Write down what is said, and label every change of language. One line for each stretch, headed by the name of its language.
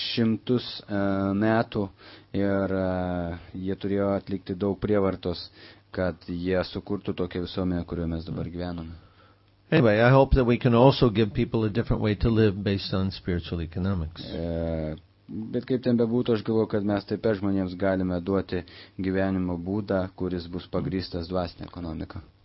Lithuanian: Šimtus metų ir jie turėjo atlikti daug prievartos, kad jie sukurtų tokią visuomenę, kurioje mes dabar gyvename.
English: Anyway, I hope that we can also give people a different way to live based on spiritual economics.
Lithuanian: Bet kaip ten bebūtų, aš galvoju, kad mes taip pat žmonėms galime duoti gyvenimo būdą, kuris bus pagrįstas dvasinė ekonomika.